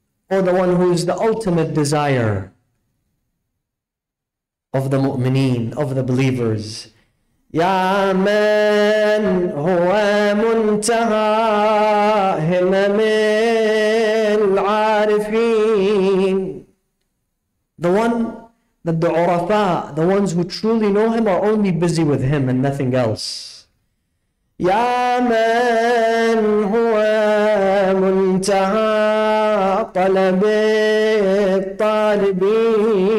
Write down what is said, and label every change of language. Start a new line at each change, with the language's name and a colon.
English: Oh, the one who is the ultimate desire of the mu'mineen, of the believers.
Arabic: يا من هو منتهى همم العارفين.
English: The one that the urafa, the ones who truly know him, are only busy with him and nothing else.
Arabic: يا من هو منتهى طلب الطالبين.